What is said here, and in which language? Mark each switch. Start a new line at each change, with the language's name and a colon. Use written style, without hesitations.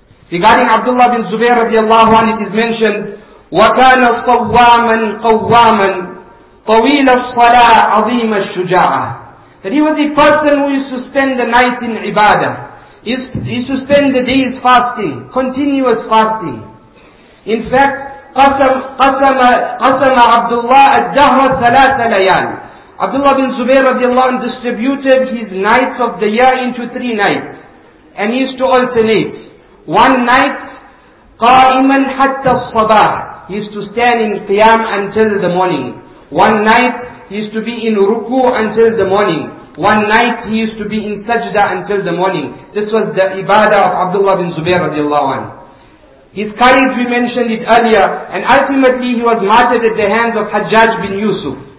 English: Regarding Abdullah bin Zubair radiallahu anhu, it is mentioned,
Arabic: وَكَانَ صَوَّامًا قَوَّامًا طَوِيلَ الصَّلَىٰ عَظِيمَ الشُّجَاعَةً.
English: That he was a person who used to spend the night in ibadah. He used to spend the days fasting, continuous fasting. In fact,
Arabic: قَسَمَ عَبْدُ اللَّهِ الدَّهْرَ ثَلَاثَ لَيَالٍ.
English: Abdullah bin Zubair radiallahu anhu distributed his nights of the year into three nights. And he used to alternate. One night,
Arabic: قَائِمًا حَتَّى الصَّبَاحِ.
English: He used to stand in qiyam until the morning. One night, he used to be in ruku until the morning. One night, he used to be in sajda until the morning. This was the ibadah of Abdullah bin Zubair radiallahu anhu. His courage, we mentioned it earlier, and ultimately he was martyred at the hands of Hajjaj bin Yusuf.